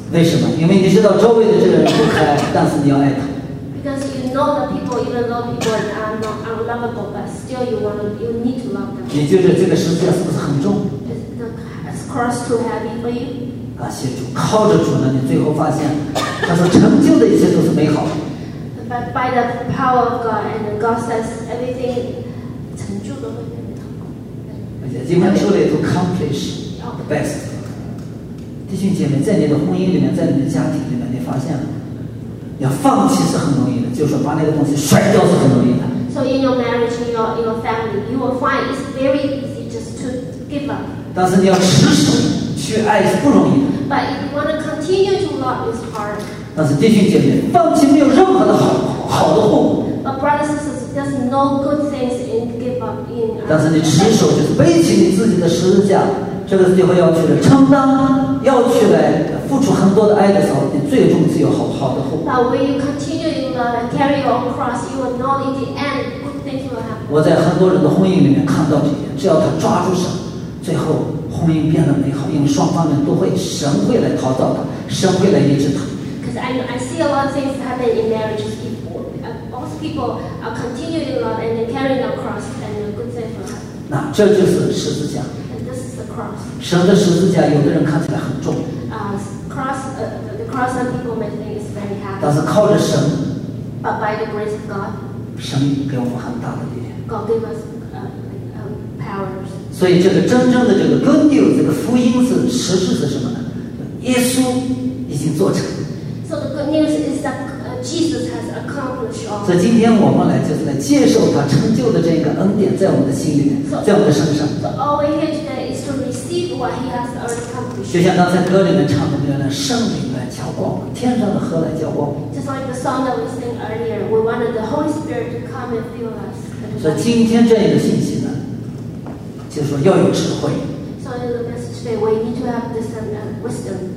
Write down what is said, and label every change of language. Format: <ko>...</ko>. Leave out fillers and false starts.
<zh>为什么？因为你知道周围的这个人不可爱，但是你要爱他。</zh> <en>Because you know the people, even though people are not unlovable, but still you need to love them.</en> <zh>你觉得这个十字架是不是很重？</zh> <en>Is the cross too heavy for you?</en> <zh>感谢主，靠着主呢，你最后发现，他说成就的一切都是美好。</zh> <en>But by the power of God, and God says everything</en> <zh>成就都会美好。</zh> <en>Eventually to accomplish the best.</en> <zh>弟兄姐妹，在你的婚姻里面，在你的家庭里面，你发现了。要放弃是很容易的，就是把那个东西甩掉是很容易的。</zh> <en>So in your marriage, in your family, you will find it's very easy just to give up.</en> <zh>但是你要持守去爱是不容易的。</zh> <en>But if you want to continue to love, it's hard.</en> <zh>但是弟兄姐妹，放弃没有任何的好的后果。</zh> <en>But brothers and sisters, there's no good things in give up in.</en> <zh>但是你持守就是背起你自己的十字架，这个最后要去的承担，要去来。付出很多的爱的时候，你最终只有好的后果。</zh> <en>But when you continue in love and carry your own cross, you will know in the end good things will happen.</en> <zh>我在很多人的婚姻里面看到这点，只要他抓住神，最后婚姻变得美好，因为双方人都会，神会来陶造他，神会来医治他。</zh> <en>Because I see a lot of things happen in marriages. Most people are continuing in love and they carry their cross and good things will happen.</en> <zh>那这就是十字架。</zh> <en>And this is the cross.</en> <zh>神的十字架，有的人看起来很重。</zh> <en>The cross some people may think is very heavy.</en> <zh>但是靠着神。</zh> <en>But by the grace of God.</en> <zh>神给我们很大的力量。</zh> <en>God gave us powers.</en> <zh>所以这个真正的这个</zh> <en>good news,</en> <zh>这个福音是实质是什么呢？耶稣已经做成。</zh> <en>So the good news is that Jesus has accomplished all.</en> <zh>所以今天我们来就是来接受他成就的这个恩典在我们的心里面，在我们的身上。</zh> <en>So all we have today is to receive what he has already.</en> <zh>就像刚才歌里面唱的那样，圣灵来浇灌，天上的河来浇灌。</zh> <en>Just like the song that we sang earlier, we wanted the Holy Spirit to come and fill us.</en> <zh>所以今天这样的信息呢，就是说要有智慧。 So in the message today, we need to have this wisdom.</zh>